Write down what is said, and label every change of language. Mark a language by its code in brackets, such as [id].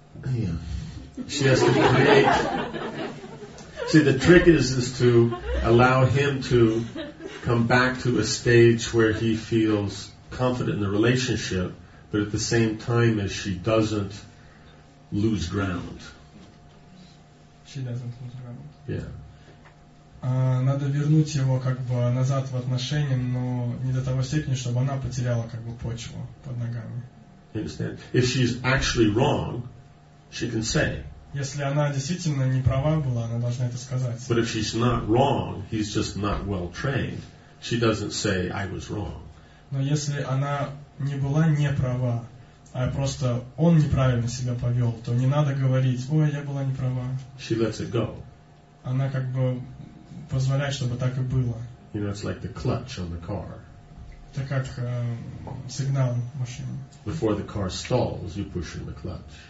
[en] Yeah. She has to create. See, the trick is to allow him to come back to a stage where he feels confident in the relationship, but at the same time as she doesn't lose ground. She doesn't lose ground. Yeah. [ru] Надо вернуть его как бы назад в отношения, но не до того степени, чтобы она потеряла как бы почву под ногами. [en] You understand? If she's actually wrong, she can say. [ru] Если она действительно не права была, она должна это сказать. [en] But if she's not wrong, he's just not well trained. She doesn't say, "I was wrong." [ru] Но если она не была не права, а просто он неправильно себя повел, то не надо говорить, "Ой, я была не права." [en] She lets it go. [ru] Она как бы позволяет, чтобы так и было. [en] You know, it's like the clutch on the car. [ru] Это как сигнал машины. [en] Before the car stalls, you push in the clutch.